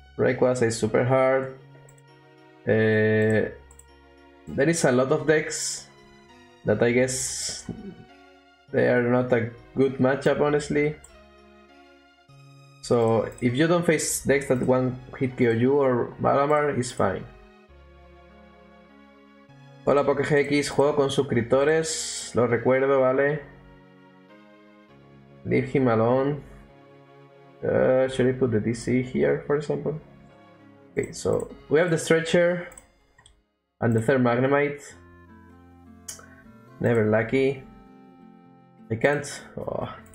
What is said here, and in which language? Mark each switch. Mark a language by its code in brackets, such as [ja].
[en] Rayquaza is super hard. There is a lot of decks that I guess they are not a good matchup, honestly. So, if you don't face decks that one hit KO you or Malamar, it's fine. [es] Hola PokeGX, juego con suscriptores, lo recuerdo, vale. [en] Leave him alone. Should I put the DC here, for example? Okay, so we have the stretcher and the third Magnemite. Never lucky. I can't. Oh.